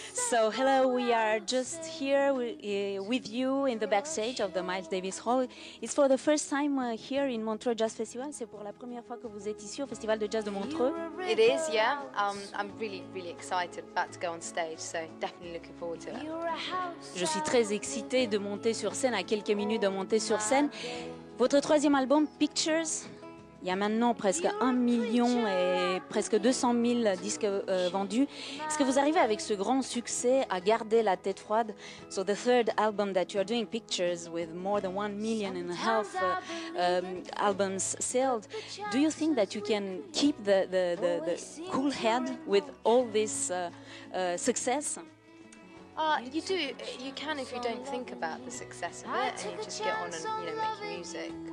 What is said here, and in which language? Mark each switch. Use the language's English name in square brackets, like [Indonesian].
[English] So hello, we are just here with you in the backstage of the Miles Davis Hall. It's for the first time here in Montreux Jazz Festival. [French] C'est pour la première fois que vous êtes ici au Festival de Jazz de Montreux. [English] It is, yeah. I'm really, really excited about to go on stage. So definitely looking forward to it. [French] Je suis très excitée de monter sur scène. À quelques minutes de monter sur scène. Votre troisième album, Pictures. Il y a maintenant presque 1 million et presque 200 000 disques vendus. Est-ce que vous arrivez avec ce grand succès à garder la tête froide? [English] So the third album that you are doing, Pictures, with more than 1.5 million albums sold. Do you think that you can keep the cool head with all this success? You do. You can if you don't think about the success of it and you just get on and making music.